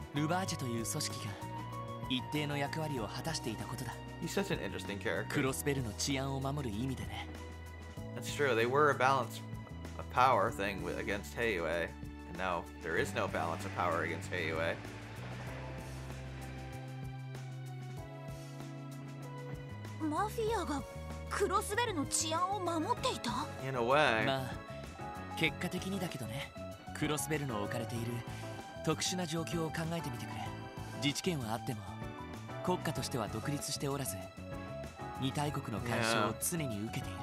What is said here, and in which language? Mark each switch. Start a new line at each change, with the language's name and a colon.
Japanese: ルバージェという組織が一定の役割を果たしていたことだ。
English: He's such an interesting character.
Japanese: クロスベルの治安を守る意味でね。
English: That's true. They were a balance of power thing against Heiyue. And now there is no balance of power against Heiyue.
Japanese: マフィアがクロスベルの治安を守っていた?
English: In a way.
Japanese: まあ、結果的にだけどね。クロスベルの置かれている特殊な状況を考えてみてくれ。自治権はあっても、国家としては独立しておらず、二大国の干渉を常に受けている。